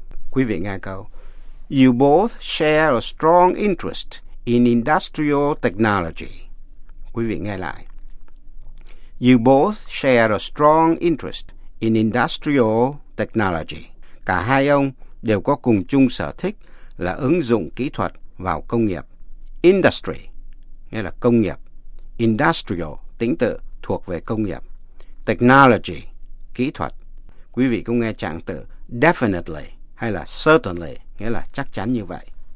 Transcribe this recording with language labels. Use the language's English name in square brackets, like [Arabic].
[Vietnamese] Quý vị nghe câu. [English] You both share a strong interest in industrial technology. [Vietnamese] Quý vị nghe lại. [English] You both share a strong interest in industrial technology. [Vietnamese] Cả hai ông đều có cùng chung sở thích là ứng dụng kỹ thuật vào công nghiệp. Industry, nghĩa là công nghiệp. Industrial, tính tự, thuộc. thuộc về công nghiệp. Technology, kỹ thuật. Quý vị cũng nghe trạng từ definitely hay là certainly, nghĩa là chắc chắn như vậy.